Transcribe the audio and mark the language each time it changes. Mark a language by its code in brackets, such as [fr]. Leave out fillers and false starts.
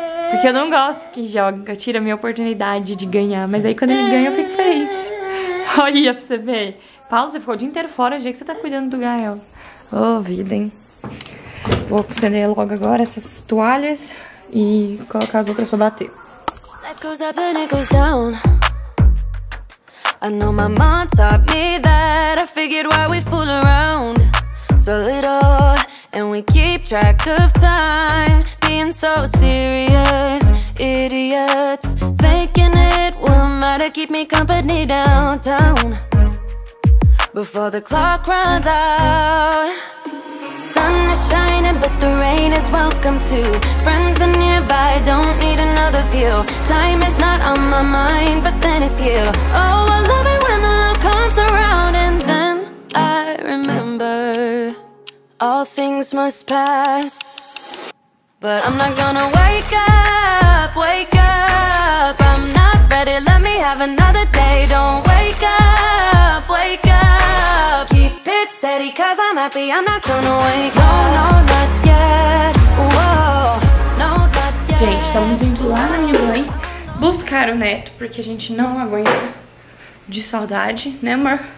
[pt] Porque eu não gosto que joga, tira a minha oportunidade de ganhar. Mas aí quando ele ganha, eu fico feliz. Olha pra você ver. Paulo, você ficou o dia inteiro fora, já que você tá cuidando do Gael. Ô, vida, hein? Vou acender logo agora essas toalhas e colocar as outras pra bater. [en] Life goes up and it goes down. I know my mom taught me that. I figured why we fool around so little and we keep track of time. Being so serious, idiots. Thinking it will matter, keep me company downtown before the clock runs out. Sun is shining, but the rain is welcome too. Friends are nearby, don't need another view. Time is not on my mind, but then it's you. Oh, I love it when the love comes around. And then I remember all things must pass. But I'm not gonna wake up, wake up. I'm not ready, let me have another day. Don't wake up, wake up. Steady, cause I'm happy, I'm not gonna wake up. No, no, not yet. Whoa. [pt] Gente, estamos indo lá na minha mãe buscar o neto, porque a gente não aguenta de saudade, né, amor?